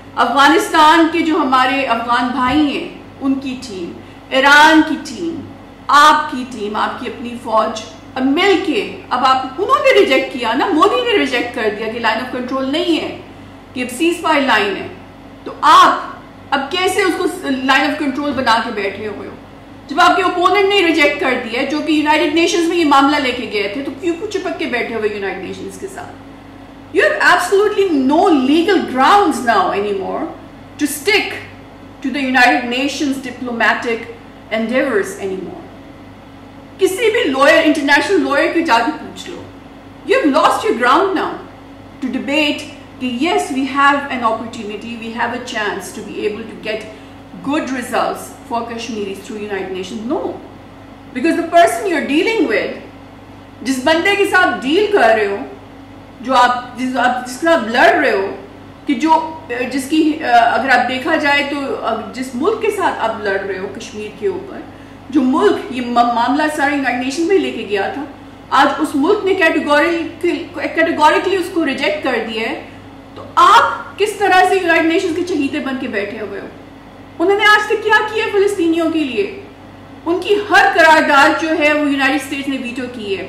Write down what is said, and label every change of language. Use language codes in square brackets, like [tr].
[ur] افغانستان کے جو ہمارے افغان بھائی ہیں ان کی ٹیم, ایران کی ٹیم, آپ کی ٹیم, آپ کی اپنی فوج, اب مل کے, اب آپ, انہوں نے ریجیکٹ کیا نا, مودی نے ریجیکٹ کر دیا کہ لائن آف کنٹرول نہیں ہے, کہ سیز فائر لائن ہے, تو آپ اب کیسے اس کو لائن آف کنٹرول بنا کے بیٹھے ہوئے ہو, جب آپ کے اوپوننٹ نے ریجیکٹ کر دیا ہے, جو کہ یونائٹیڈ نیشنز میں یہ معاملہ لے کے گئے تھے, تو کیوں چپک کے بیٹھے ہوئے یونائٹیڈ نیشنز کے ساتھ. [en] You have absolutely no legal grounds now anymore to stick to the United Nations diplomatic endeavors anymore. [ur] Kisi bhi lawyer, international lawyer ke jaake pooch lo. [en] You have lost your ground now to debate that yes, we have an opportunity, we have a chance to be able to get good results for Kashmiris through United Nations. No. Because the person you're dealing with, [ur] jis bande ke saath deal kar rahe ho, جو آپ جس آپ جس کا آپ لڑ رہے ہو, کہ جو جس کی اگر آپ دیکھا جائے تو جس ملک کے ساتھ آپ لڑ رہے ہو کشمیر کے اوپر, جو ملک یہ معاملہ سارے یونائٹیڈ نیشن میں لے کے گیا تھا, آج اس ملک نے کیٹیگوریکلی اس کو ریجیکٹ کر دیا ہے, تو آپ کس طرح سے یونائٹیڈ نیشن کے چہیتے بن کے بیٹھے ہوئے ہو؟ انہوں نے آج تک کیا کیا ہے فلسطینیوں کے لیے؟ ان کی ہر قرارداد جو ہے وہ یونائٹیڈ اسٹیٹس نے ویٹو کی ہے.